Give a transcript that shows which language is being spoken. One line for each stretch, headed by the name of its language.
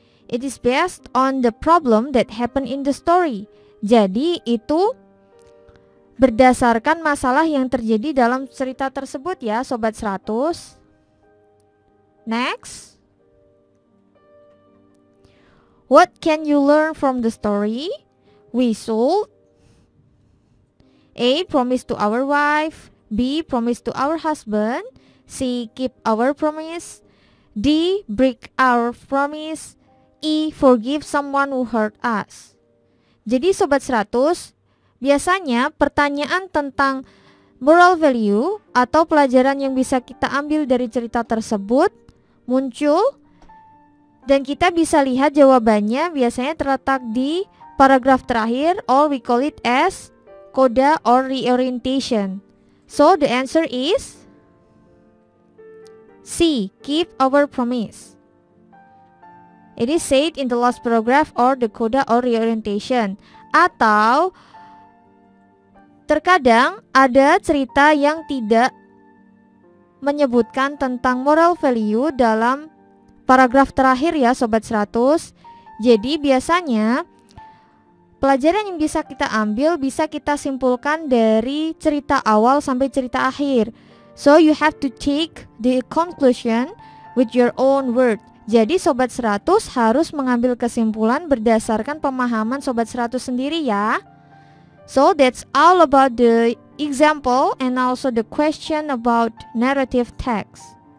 English: It is based on the problem that happened in the story.
Indonesian: Jadi itu berdasarkan masalah yang terjadi dalam cerita tersebut ya, Sobat 100.
English: Next. What can you learn from the story? We should A. Promise to our wife. B. Promise to our husband. C. Keep our promise. D. Break our promise. E. Forgive someone who hurt us.
Indonesian: Jadi Sobat 100, biasanya pertanyaan tentang moral value atau pelajaran yang bisa kita ambil dari cerita tersebut muncul, dan kita bisa lihat jawabannya biasanya terletak di paragraf terakhir,
English: or we call it as coda or reorientation. So the answer is C. Keep our promise. It is said in the last paragraph or the coda or reorientation.
Indonesian: Atau terkadang ada cerita yang tidak menyebutkan tentang moral value dalam paragraf terakhir ya Sobat 100. Jadi biasanya pelajaran yang bisa kita ambil bisa kita simpulkan dari cerita awal sampai cerita akhir.
English: So you have to take the conclusion with your own word.
Indonesian: Jadi Sobat 100 harus mengambil kesimpulan berdasarkan pemahaman Sobat 100 sendiri ya.
English: So that's all about the example and also the question about narrative text.